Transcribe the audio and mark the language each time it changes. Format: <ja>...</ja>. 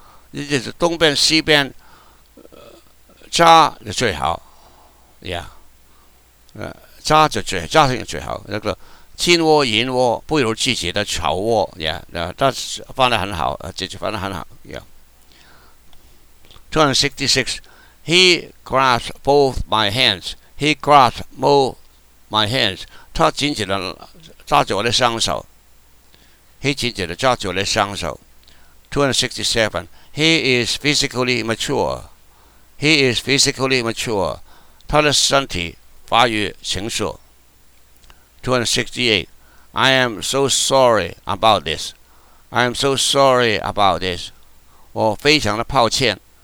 <zh>你就是东边西边家是最好。 Yeah. 家是最好，家庭是最好。那个金窝银窝不如自己的巢窝。 Yeah. 但是放得很好，自己放得很好。 Yeah. 266.</zh> <en>He grasped both my hands. He grasped both my hands.</en> <zh>他紧紧地抓住我的双手。</zh> <en>He</en> <zh>紧紧地抓住我的双手。 267.</zh> <en>He is physically mature. He is physically mature.</en> <zh>他的身体发育成熟。</zh> <en>268. I am so sorry about this. I am so sorry about this.</en> <zh>我非常的抱歉。</zh>